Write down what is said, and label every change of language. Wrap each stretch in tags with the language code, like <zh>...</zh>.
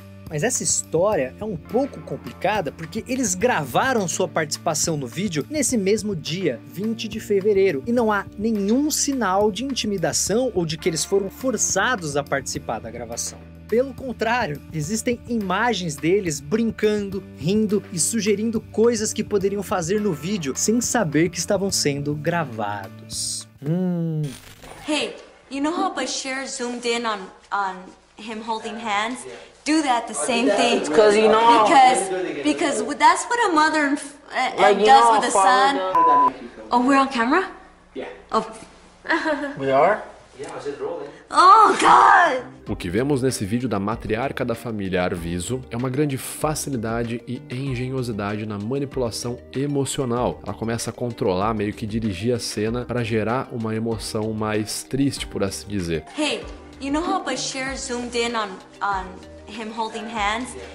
<pt>Mas essa história é um pouco complicada porque eles gravaram sua participação no vídeo nesse mesmo dia, 20 de fevereiro, e não há nenhum sinal de intimidação ou de que eles foram forçados a participar da gravação. Pelo contrário, existem imagens deles brincando, rindo e sugerindo coisas que poderiam fazer no vídeo sem saber que estavam sendo gravados.</pt> <en>Hey, you know how Bashir zoomed in on him holding hands? Do that the same thing. Because you know. Because that's what a mother does with a son. Oh, we're on camera? Yeah. Oh. We are? Oh, God!</en> <pt>O que vemos nesse vídeo da matriarca da família Arvizo é uma grande facilidade e engenhosidade na manipulação emocional. Ela começa a controlar, meio que dirigir a cena para gerar uma emoção mais triste, por assim dizer.</pt> <en>Hey, you know how Bashir zoomed in on him holding hands?</en>